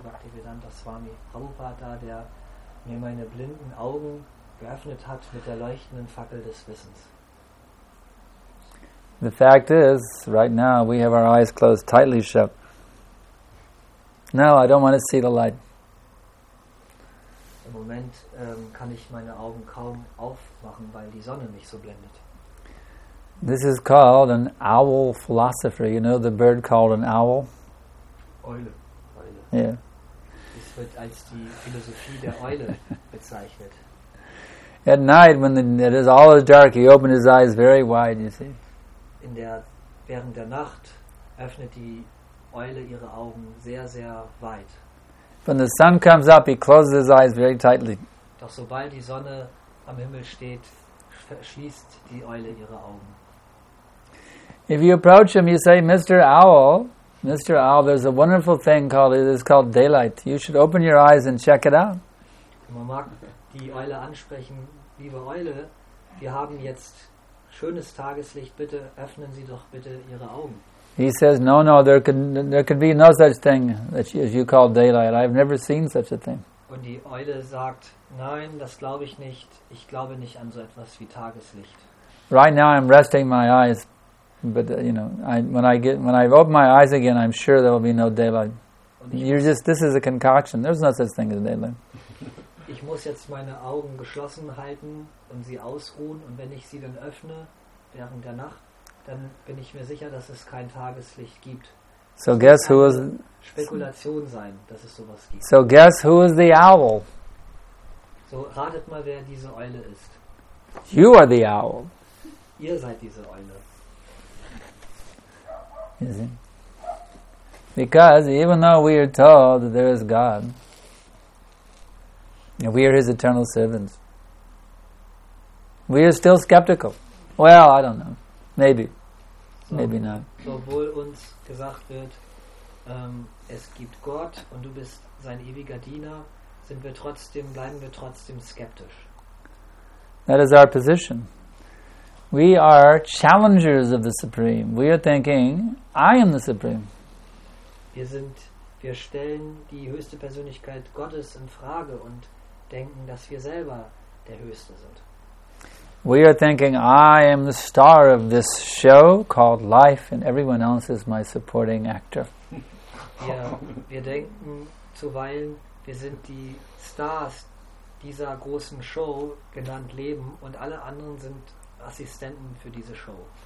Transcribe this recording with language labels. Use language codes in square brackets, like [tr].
[de] Bhaktivedanta Swami Prabhupada, der mir meine blinden Augen geöffnet hat mit der leuchtenden Fackel des Wissens. [en] The fact is, right now, we have our eyes closed tightly shut. No, I don't want to see the light. [de] Im Moment kann ich meine Augen kaum aufmachen, weil die Sonne mich so blendet. [en] This is called an owl philosophy. You know the bird called an owl? [de] Eule. [en] Yeah. [de] Das wird als die Philosophie der Eule bezeichnet. [en] At night, when it is all dark, he opened his eyes very wide, you see. [de] Während der Nacht öffnet die Eule ihre Augen sehr, sehr weit. [en] When the sun comes up, he closes his eyes very tightly. [de] Doch sobald die Sonne am Himmel steht, verschließt die Eule ihre Augen. [en] If you approach him, you say, Mr. Owl, there's a wonderful thing called daylight. You should open your eyes and check it out. [de] Man mag die Eule ansprechen, liebe Eule, wir haben jetzt schönes Tageslicht, bitte öffnen Sie doch bitte Ihre Augen. [en] He says, no, there can be no such thing as you call daylight. I've never seen such a thing. [de] Und die Eule sagt, nein, das glaube ich nicht. Ich glaube nicht an so etwas wie Tageslicht. [en] Right now I'm resting my eyes, but when I open my eyes again, I'm sure there will be no daylight. This is a concoction. There's no such thing as daylight. [de] Ich muss jetzt meine Augen geschlossen halten und sie ausruhen. Und wenn ich sie dann öffne während der Nacht, dann bin ich mir sicher, dass es kein Tageslicht gibt. [en] So guess who is [de] Spekulation sein, dass es sowas gibt. [en] So guess who is the owl? [de] So ratet mal, wer diese Eule ist. [en] You are the owl. [de] Ihr seid diese Eule. [en] You see? Because even though we are told that there is God, and we are his eternal servants, we are still skeptical. Well, I don't know. Maybe. So, maybe not. [de] Obwohl uns gesagt wird, es gibt Gott und du bist sein ewiger Diener, bleiben wir trotzdem skeptisch. [en] That is our position. We are challengers of the Supreme. We are thinking, I am the Supreme. [de] Wir stellen die höchste Persönlichkeit Gottes in Frage und denken, dass wir selber der Höchste sind. [en] We are thinking, I am the star of this show called life, and everyone else is my supporting actor. [de] Wir denken zuweilen, wir sind die Stars dieser großen Show genannt Leben, und alle anderen sind Assistenten für diese Show.